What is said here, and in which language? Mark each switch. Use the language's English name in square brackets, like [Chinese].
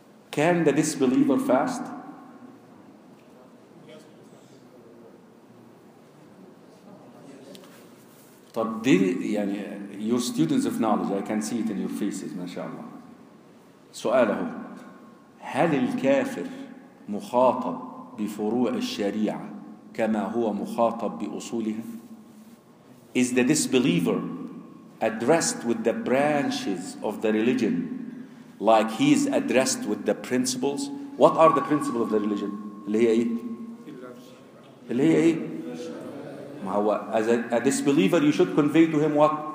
[English] Can the disbeliever fast? [Arabic] طب يعني [English] your students of knowledge, I can see it in your faces, mashallah. [Arabic] سؤاله, هل الكافر مخاطب بفروع الشريعة كما هو مخاطب بأصولها? [English] Is the disbeliever addressed with the branches of the religion like he is addressed with the principles? What are the principles of the religion? [Arabic] اللي هي ايه? اللي هي ايه? [English] As a disbeliever, you should convey to him what?